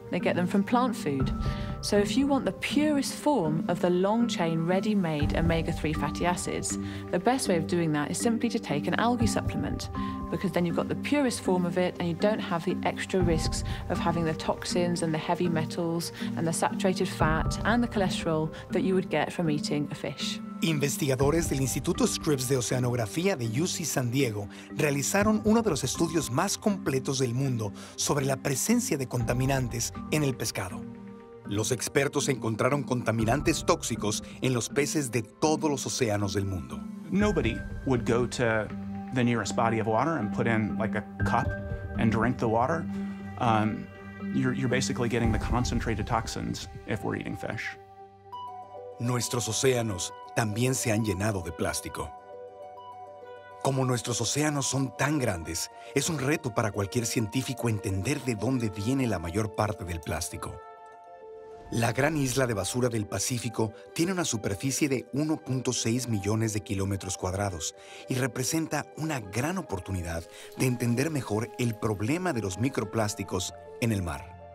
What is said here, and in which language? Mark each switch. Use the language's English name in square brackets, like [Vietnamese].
[English] They get them from plant food. So if you want the purest form of the long chain ready-made omega-3 fatty acids, the best way of doing that is simply to take an algae supplement, because then you've got the purest form of it and you don't have the extra risks of having the toxins and the heavy metals and the saturated fat and the cholesterol that you would get from eating a fish. [Spanish] Investigadores del Instituto Scripps de Oceanografía de UC San Diego realizaron uno de los estudios más completos del mundo sobre la presencia de contaminantes en el pescado. Los expertos encontraron contaminantes tóxicos en los peces de todos los océanos del mundo. [English] Nobody would go to the nearest body of water and put in like a cup and drink the water. You're basically getting the concentrated toxins if we're eating fish. [Spanish] Nuestros océanos también se han llenado de plástico. Como nuestros océanos son tan grandes, es un reto para cualquier científico entender de dónde viene la mayor parte del plástico. La gran isla de basura del Pacífico tiene una superficie de 1.6 millones de kilómetros cuadrados y representa una gran oportunidad de entender mejor el problema de los microplásticos en el mar.